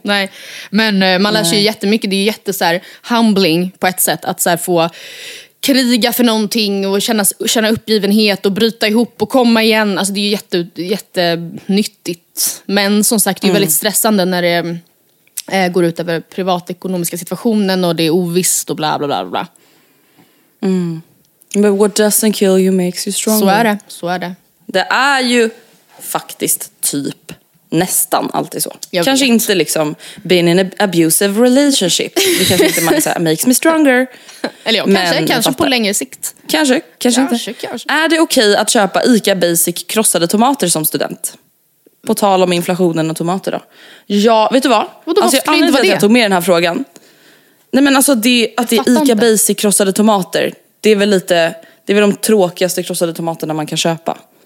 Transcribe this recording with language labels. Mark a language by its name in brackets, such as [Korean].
[Swedish] Nej, men man lär sig ju jättemycket. Det är ju jätte så här, humbling på ett sätt att så här, få... kriga för någonting och känna uppgivenhet och bryta ihop och komma igen. Alltså det är ju jättenyttigt. Men som sagt, det är ju väldigt stressande när det går ut över privatekonomiska situationen och det är ovisst och bla bla bla bla. [English] Mm. But what doesn't kill you makes you stronger. [Swedish] Så är det, så är det. Det är ju faktiskt typ nästan alltid så. Jag kanske vet. Inte liksom [English] been in an abusive relationship. [Swedish] Det kanske inte man säger [English] makes me stronger. [Swedish] Eller ja, kanske på längre sikt. Kanske. Är det okej att köpa ICA Basic krossade tomater som student? På tal om inflationen och tomater då. Ja, vet du vad? Jag tog med den här frågan. Nej men alltså det är ICA Basic krossade tomater. Det är väl lite, det är väl de tråkigaste krossade tomaterna man kan köpa.